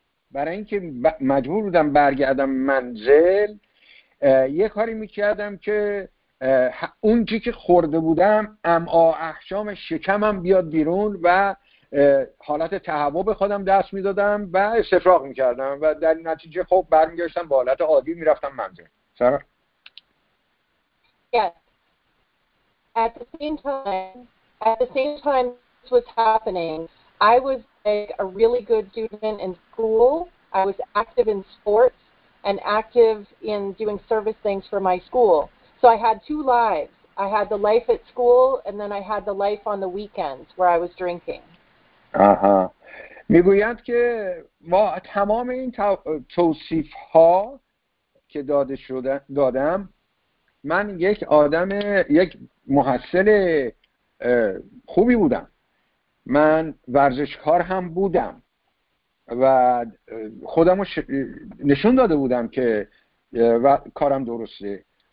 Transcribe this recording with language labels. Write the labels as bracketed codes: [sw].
[fa] برای اینکه مجبور بودم برگردم منزل یه کاری میکردم که اون چی که خورده بودم امعا احشام شکمم بیاد بیرون و حالت تهوع به خودم دست میدادم و استفراغ میکردم و در نتیجه خب برمیگشتم به حالت عادی میرفتم منزل. [en] سر؟ Yes. At the same time this was happening, I was like a really good student in school. I was active in sports and active in doing service things for my school. So I had two lives. I had the life at school and then I had the life on the weekends where I was drinking. [fa] میگویند که ما تمام این توصیف ها که دادم، من یک محصل خوبی بودم. من ورزشکار هم بودم و خودم رو نشون داده بودم که کارم درسته.